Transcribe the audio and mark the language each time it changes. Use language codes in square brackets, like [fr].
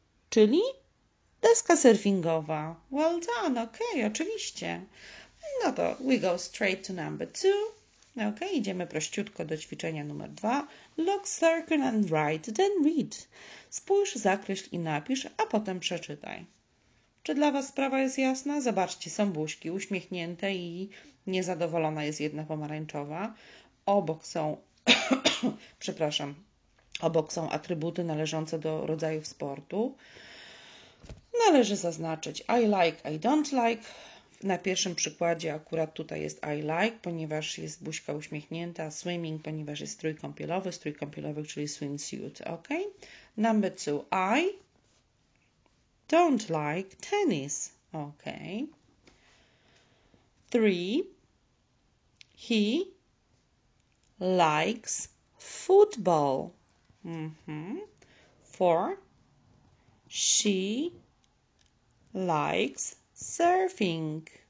[pl] Czyli deska surfingowa. [en] Well done. Ok, [pl] oczywiście. No to [en] we go straight to number 2. [pl] Ok, idziemy prościutko do ćwiczenia numer 2. [en] Look, circle and write, then read. [pl] Spójrz, zakreśl i napisz, a potem przeczytaj. Czy dla Was sprawa jest jasna? Zobaczcie, są buźki uśmiechnięte i niezadowolona jest jedna pomarańczowa. Obok są, przepraszam, obok są atrybuty należące do rodzajów sportu. Należy zaznaczyć [en] I like, I don't like. [pl] Na pierwszym przykładzie akurat tutaj jest [en] I like, [pl] ponieważ jest buźka uśmiechnięta, swimming, ponieważ jest strój kąpielowy, czyli swimsuit, ok? [en] Number 2, I don't like tennis, ok? 3, he likes football, 4, she likes surfing.